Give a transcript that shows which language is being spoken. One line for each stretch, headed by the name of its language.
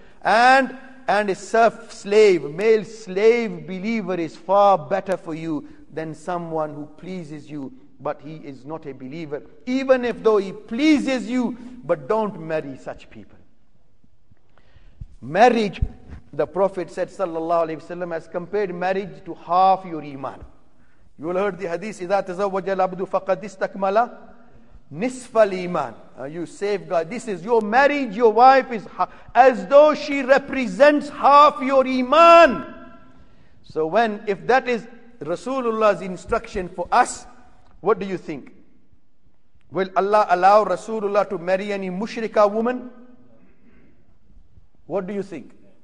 English: And a self-slave, male slave believer is far better for you than someone who pleases you, but he is not a believer. Even if though he pleases you, but don't marry such people. Marriage, the Prophet said, sallallahu alayhi wa sallam, has compared marriage to half your iman. You will heard the hadith,
Arabic: إِذَا تَزَوَّجَ الْعَبْدُ فَقَدْ إِسْتَكْمَلَ نِصْفَ الْإِيمَانِ.
English: You safeguard. This is your marriage, your wife is as though she represents half your iman. So if that is Rasulullah's instruction for us, what do you think? Will Allah allow Rasulullah to marry any mushrika woman? What do you think?